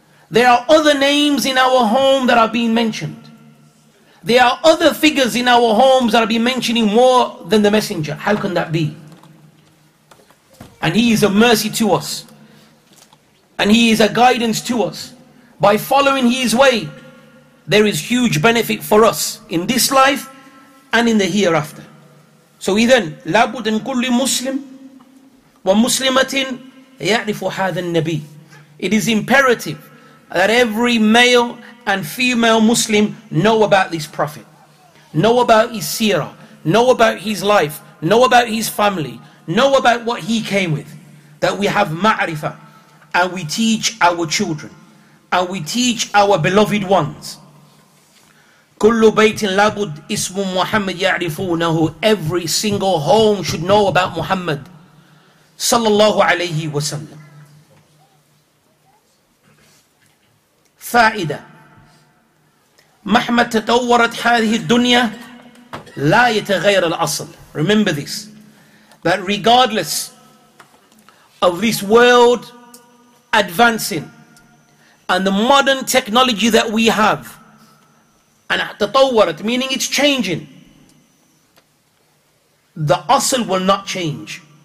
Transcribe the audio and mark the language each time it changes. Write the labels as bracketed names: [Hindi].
[English] There are other names in our home that are being mentioned. There are other figures in our homes that are being mentioning more than the messenger. How can that be? And he is a mercy to us. And he is a guidance to us. By following his way, there is huge benefit for us in this life and in the hereafter. [Arabic] So إذن لابد أن كل مسلم ومسلمة يعرف هذا النبي. [English] It is imperative that every male and female Muslim know about this prophet, know about his seerah, know about his life, know about his family, know about what he came with. That we have ma'rifah and we teach our children and we teach our beloved ones. [Arabic] كل بيت لابد اسم محمد يعرفونه. [English] Every single home should know about Muhammad sallallahu alayhi wa sallam. [Arabic] فائدة مهما تطورت هذه الدنيا لا يتغير الأصل. [English] Remember this, that regardless of this world advancing and the modern technology that we have, and تطورت meaning it's changing, the أصل will not change.